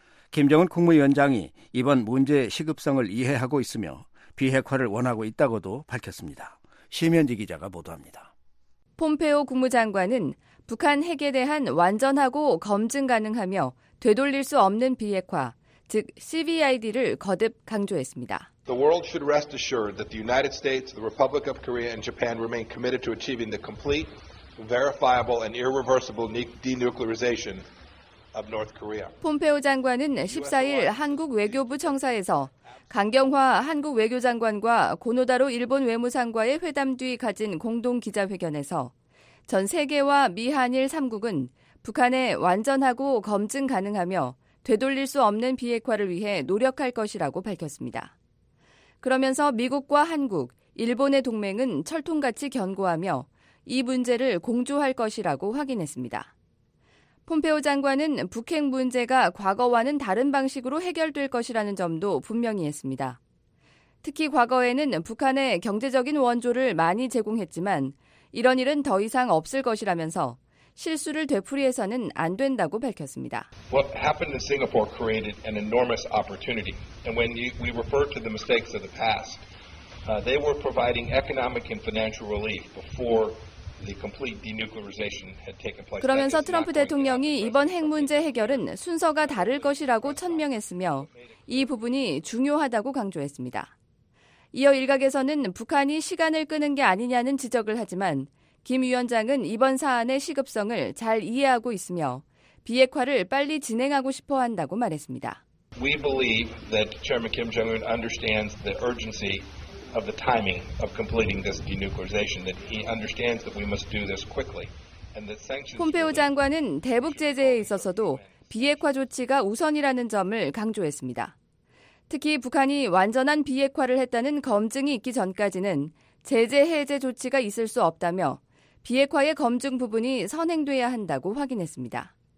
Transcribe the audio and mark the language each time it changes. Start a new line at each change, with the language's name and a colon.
Korean: 김정은 국무위원장이 이번 문제의 시급성을 이해하고 있으며 비핵화를 원하고 있다고도 밝혔습니다. 심현지 기자가 보도합니다. 폼페오 국무장관은 북한 핵에 대한 완전하고 검증 가능하며 되돌릴 수 없는 비핵화, 즉 CVID를 거듭 강조했습니다.
English: The world should rest assured that the United States, the Republic of Korea, and Japan remain committed to achieving the complete, verifiable, and irreversible denuclearization of North Korea.
Korean: 폼페오 장관은 14일 한국 외교부 청사에서 강경화 한국 외교장관과 고노다로 일본 외무상과의 회담 뒤 가진 공동 기자회견에서 전 세계와 미한일 3국은 북한의 완전하고 검증 가능하며 되돌릴 수 없는 비핵화를 위해 노력할 것이라고 밝혔습니다. 그러면서 미국과 한국, 일본의 동맹은 철통같이 견고하며 이 문제를 공조할 것이라고 확인했습니다. 폼페오 장관은 북핵 문제가 과거와는 다른 방식으로 해결될 것이라는 점도 분명히 했습니다. 특히 과거에는 북한에 경제적인 원조를 많이 제공했지만 이런 일은 더 이상 없을 것이라면서 실수를 되풀이해서는 안 된다고 밝혔습니다.
English: What happened in Singapore created an enormous opportunity. And when we refer to the mistakes of the past, they were providing economic and financial relief before the complete denuclearization had taken place.
Korean: 그러면서 트럼프 대통령이 이번 핵 문제 해결은 순서가 다를 것이라고 천명했으며 이 부분이 중요하다고 강조했습니다. 이어 일각에서는 북한이 시간을 끄는 게 아니냐는 지적을 하지만 김 위원장은 이번 사안의 시급성을 잘 이해하고 있으며 비핵화를 빨리 진행하고 싶어 한다고 말했습니다.
English: We believe that Chairman Kim Jong-un understands the urgency of the timing of completing this denuclearization, that he understands that we must do this quickly.
Korean: 폼페오 장관은 대북 제재에 있어서도 비핵화 조치가 우선이라는 점을 강조했습니다. 특히 북한이 완전한 비핵화를 했다는 검증이 있기 전까지는 제재 해제 조치가 있을 수 없다며 비핵화의 검증 부분이 선행돼야 한다고 확인했습니다.